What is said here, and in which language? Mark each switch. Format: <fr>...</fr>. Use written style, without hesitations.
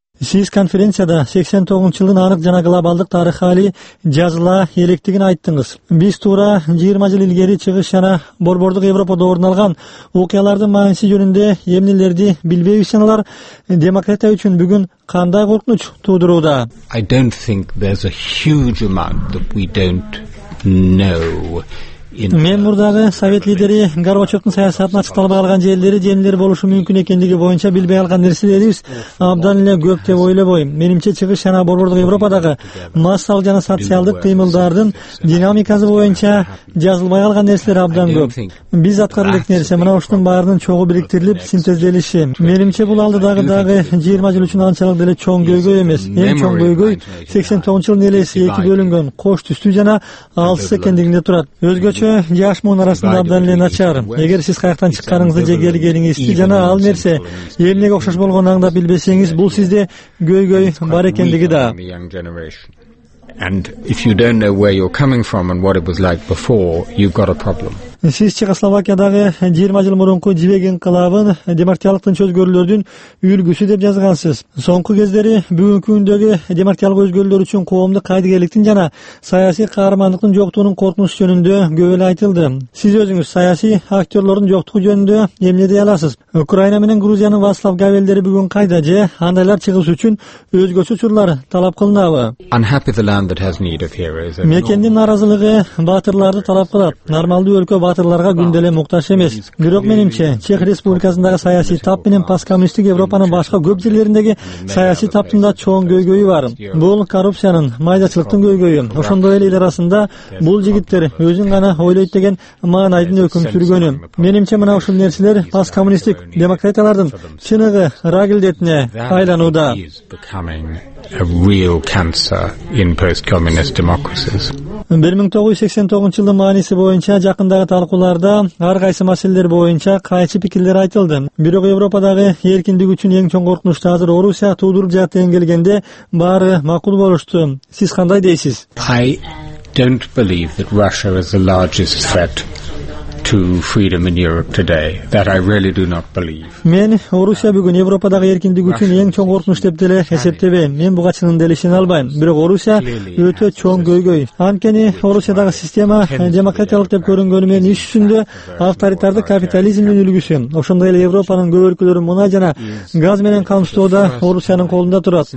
<ky>Сиз конференцияда 89-жылдын анык жана глобалдык тарых али жазыла электигин айттыңыз. Биз туура 20 жыл илгери чыгыш жана борбордук Европада орун алган окуялардын мааниси жөнүндө эмнелерди билбейбизсиңер, демократия үчүн бүгүн кандай коркунуч туудурууда?</ky> <en>I don't think there's a huge amount that we don't know.</en> <ky>Мен мурдагы совет лидери Горбачевдин саясатына ачыкталбай калган жерлери жемилер болушу мүмкүн экендиги боюнча билбей калган нерселерибиз абдан эле көп деп ойлобойм. Менимче чыгыш жана борбордук Европадагы массалык жана социалдык кыймылдардын динамикасы боюнча жазылбай калган нерселер абдан көп. Биз аткарып элек нерсе мына ушунун баарынын чогу бириктирилип синтезделиши. Менимче бул алдыдагы дагы 20 жыл үчүн анчалык деле чоң көйгөй эмес. Эң чоң көйгөй 89-жылдын элеси эки бөлүнгөн кош түстүү жана алсыз экендигинде турат. Өзгөчө жаш муун арасында абдан эле начар. Эгер сиз каяктан чыкканыңызды же келгениңизди жана ал нерсе эмнеге окшош болгонун аңдап билбесеңиз, бул сизде көйгөй бар экендиги да.</ky> <en>And if you don't know where you're coming from and what it was like before, you've got a problem.</en> <ky>Сиз Чехословакиядагы 20 жыл мурунку Жибек инкылабын демократиялык тынч өзгөрүүлөрдүн үлгүсү деп жазгансыз. Соңку кездери бүгүнкү күндөгү демократиялык өзгөрүүлөр үчүн коомдук кайдыгерликтин жана саясий каармандыктын жоктугунун коркунучу жөнүндө көп эле айтылды. Сиз өзүңүз саясий актёрлордун жоктугу жөнүндө эмне дей аласыз? Украина менен Грузиянын Вацлав Гавелдери бүгүн кайда же андайлар чыгыш үчүн өзгөчө учурлар талап кылынабы?</ky> <en>Unhappy the land that has need of heroes.</en> <ky>Мекендин нааразылыгы баатырларды талап кылат. Нормалдуу өлкө баатырларга күндөле муктаж эмес. Бирок менимче Чех Республикасындагы саясий тап менен посткоммунисттик Европанын башка көп жерлеринеги саясий таптын да чоң көйгөйү бар. Бул коррупциянын, майдачылыктын көйгөйү. Ошондой эле эл арасында бул жигиттер өзүн гана ойлойт деген маанайдын өкүм сүргөнү. Менимче мына ушул нерселер посткоммунисттик демократиялардын чыныгы рак илдетине айланууда.</ky> <en>A real cancer in post-communist democracies.</en> <ky>1989-жылдын мааниси боюнча жакындагы талкууларда ар кайсы маселелер боюнча кайчы пикирлер айтылды. Бирок Европадагы эркиндик үчүн эң чоң коркунучту азыр Орусия туудуруп жатты деген келгенде баары макул болушту. Сиз кандай дейсиз?</ky> <en>I don't believe that Russia is the largest threat to freedom in Europe today. That I really do not believe.</en> <ky>Мен Орусия бүгүн Европадагы эркиндик үчүн эң чоң коркунуч деп деле эсептебейм. Мен буга чынын деле ишене албайм. Бирок Орусия өтө чоң көйгөй. Анткени Орусиядагы система демократиялык деп көрүнгөнү менен иш жүзүндө авторитардык капитализмдин үлгүсү. Ошондой эле Европанын көп өлкөлөрүн мунай жана газ менен камсыздоо Орусиянын колунда турат.</ky>